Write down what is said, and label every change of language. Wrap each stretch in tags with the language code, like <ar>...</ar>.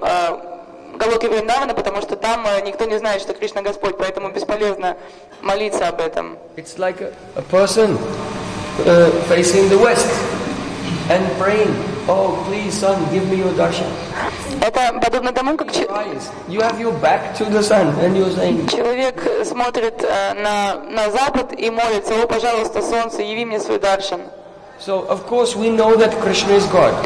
<ru>Голоки Вриндавана, потому что там никто не знает, что Кришна Господь, поэтому бесполезно молиться об этом.</ru> <en>It's like a person facing the west and praying, oh, please, son, give me your darshan.</en> <ru>Это подобно тому, как</ru> <en>you have your back to the sun and you're saying.</en> <ru>Человек смотрит на запад и молится, о, пожалуйста, солнце, яви мне свой даршан.</ru> <en>So, of course, we know that Krishna is God.</en>